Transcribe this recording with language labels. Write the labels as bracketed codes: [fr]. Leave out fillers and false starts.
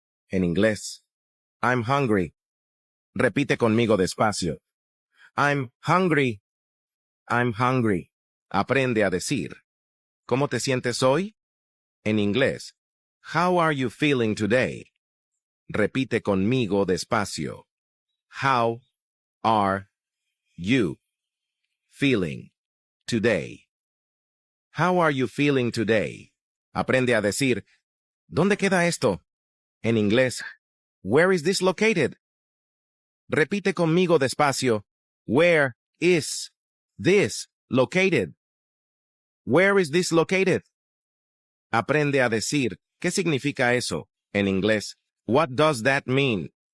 [es] En inglés, [en] I'm hungry. [es] Repite conmigo despacio. [en] I'm hungry. I'm hungry. [es] Aprende a decir, ¿cómo te sientes hoy? En inglés, [en] how are you feeling today? [es] Repite conmigo despacio. [en] How are you feeling today? How are you feeling today? [es] Aprende a decir, ¿dónde queda esto? En inglés, [en] where is this located? [es] Repite conmigo despacio, [en] where is this located? Where is this located? [es] Aprende a decir, ¿qué significa eso? En inglés, [en] what does that mean?